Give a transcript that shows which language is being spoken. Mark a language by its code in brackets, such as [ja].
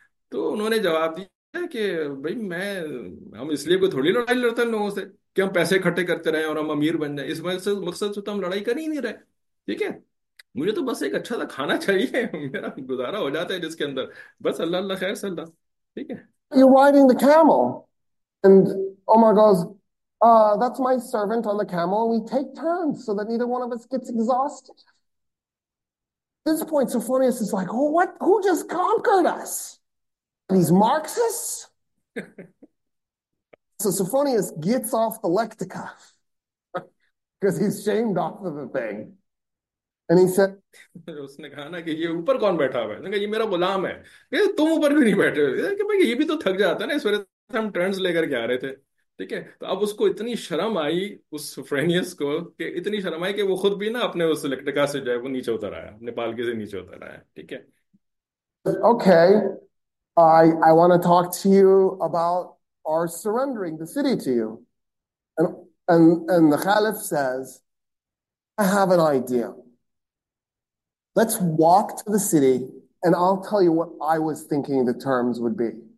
[hi] तो उन्होंने जवाब दिया कि भाई मैं हम इसलिए कोई थोड़ी लड़ाई लड़ते हैं लोगों से कि हम पैसे इकट्ठे करते रहे और हम अमीर बन जाए, इस मकसद से तो हम लड़ाई कर ही नहीं रहे, ठीक है, मुझे तो बस एक अच्छा सा खाना चाहिए, मेरा गुजारा हो जाता है जिसके अंदर, बस अल्लाह अल्लाह खैर सल्लाह, ठीक है। [en] You're riding the camel. And Omar goes, that's my servant on the camel. And we take turns so that neither one of us gets exhausted. At this point, Sophronius is like, oh, what? Who just conquered us? These Marxists? So Sophronius gets off the lectica because he's shamed off of the thing. And he said, [hi] उसने कहा ना कि ये ऊपर कौन बैठा हुआ है, ये मेरा गुलाम है, तुम ऊपर भी नहीं बैठे हो, कि भाई ये भी तो थक जाता है ना, इस वजह से हम टर्न्स लेकर के आ रहे थे, ठीक है। तो अब उसको इतनी शर्म आई उस फ्रेनियस को, कि इतनी शर्म आई कि वो खुद भी ना अपने उस इलेक्ट्रिका से जो है वो नीचे उतर आया, अपने पालकी से नीचे उतर आया, ठीक है। [en] okay, I want to talk to you about our surrendering the city to you. And the caliph says, I have an idea. Let's walk to the city, and I'll tell you what I was thinking the terms would be.